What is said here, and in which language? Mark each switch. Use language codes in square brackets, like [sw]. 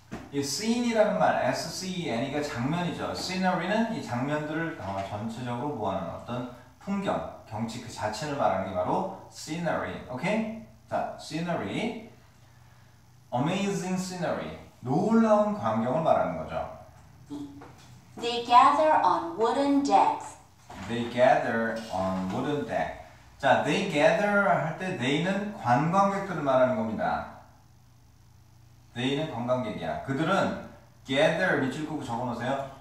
[ko] 이 scene이라는 말, S-C-E-N-E가 장면이죠. scenery는 이 장면들을 전체적으로 모아놓은 어떤 풍경, 경치 그 자체를 말하는 게 바로 scenery. 오케이? 자, [en] scenery. Amazing scenery. [ko] 놀라운 광경을 말하는 거죠. [en] They gather on wooden decks. They gather on wooden deck. [ko] 자, they gather 할 때 they는 관광객들을 말하는 겁니다. They는 관광객이야. 그들은 gather 밑줄 꼭 적어놓으세요.